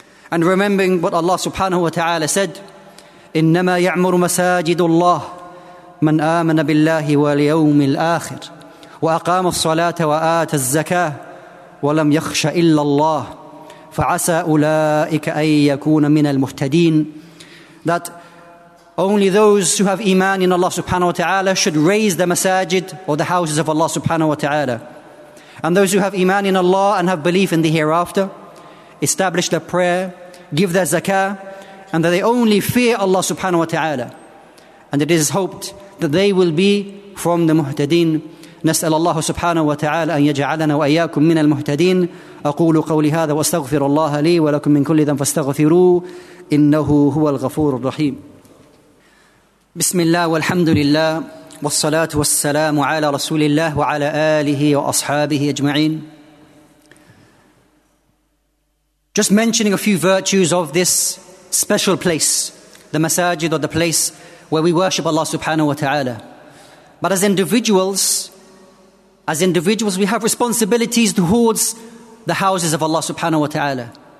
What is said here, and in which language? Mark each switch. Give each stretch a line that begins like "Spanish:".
English: And remembering what Allah subhanahu wa ta'ala said,
Arabic: إِنَّمَا يَعْمُرُ مَسَاجِدُ اللَّهِ مَنْ آمَنَ بِاللَّهِ وَالْيَوْمِ الْآخِرِ وَأَقَامَ الصَّلَاةَ وَآتَ الزَّكَاةَ وَلَمْ يَخْشَ إِلَّا اللَّهِ فَعَسَى أُولَٰئِكَ أَن يَكُونَ مِنَ الْمُهْتَدِينَ,
English: that only those who have iman in Allah subhanahu wa ta'ala should raise the masajid, or the houses of Allah subhanahu wa ta'ala. And those who have iman in Allah and have belief in the hereafter, establish their prayer, give their zakah, and that they only fear Allah subhanahu wa ta'ala. And it is hoped that they will be from the muhtadeen.
Arabic: نسأل الله سبحانه وتعالى أن يجعلنا وإياكم من المهتدين. أقول قولي هذا وأستغفر الله لي ولكم من كل ذنب فاستغفروه إنه هو الغفور الرحيم. بسم الله والحمد لله والصلاة والسلام على رسول الله وعلى آله وأصحابه أجمعين.
English: Just mentioning a few virtues of this special place, the masajid, or the place where we worship Allah subhanahu wa ta'ala. But as individuals we have responsibilities towards the houses of Allah subhanahu wa ta'ala.